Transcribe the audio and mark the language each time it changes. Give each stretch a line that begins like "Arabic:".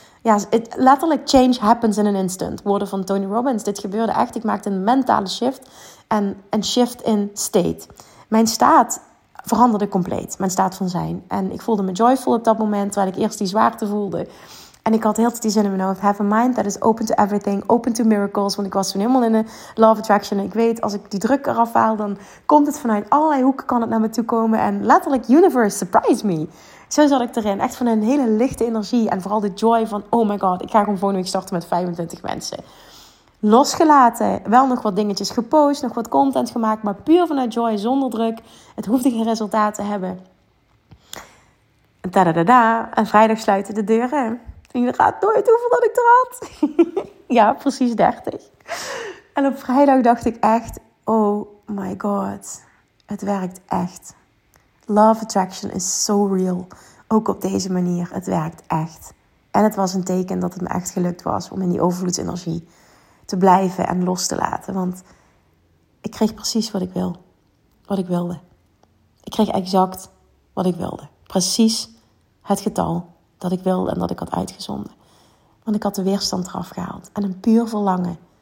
Dutch: Ja, letterlijk
English: change happens in an instant.
Dutch: Woorden van Tony Robbins. Dit gebeurde echt. Ik maakte een mentale shift en een shift in state. Mijn staat veranderde compleet. Mijn staat van zijn. En ik voelde me joyful op dat moment, terwijl ik eerst die zwaarte voelde. En ik had heel die zin in mijn hoofd.
English: Have a mind that is open to everything, open to miracles.
Dutch: Want ik was toen helemaal in een law of attraction. En ik weet, als ik die druk eraf haal, dan komt het vanuit allerlei hoeken kan het naar me toe komen. En letterlijk,
English: universe, surprise me.
Dutch: Zo zat ik erin. Echt van een hele lichte energie. En vooral de joy van,
English: oh my god,
Dutch: ik ga gewoon volgende week starten met 25 mensen. Losgelaten. Wel nog wat dingetjes gepost, nog wat content gemaakt. Maar puur vanuit joy, zonder druk. Het hoefde geen resultaat te hebben. En ta-da-da-da. En vrijdag sluiten de deuren. En je raadt nooit hoeveel dat ik er had. Ja, precies 30. En op vrijdag dacht ik echt,
English: oh my god,
Dutch: het werkt echt.
English: Love attraction is so real.
Dutch: Ook op deze manier, het werkt echt. En het was een teken dat het me echt gelukt was om in die overvloedsenergie te blijven en los te laten. Want ik kreeg precies wat ik wil. Wat ik wilde. Ik kreeg exact wat ik wilde. Precies het getal dat ik wilde en dat ik had uitgezonden. Want ik had de weerstand eraf gehaald. En een puur verlangen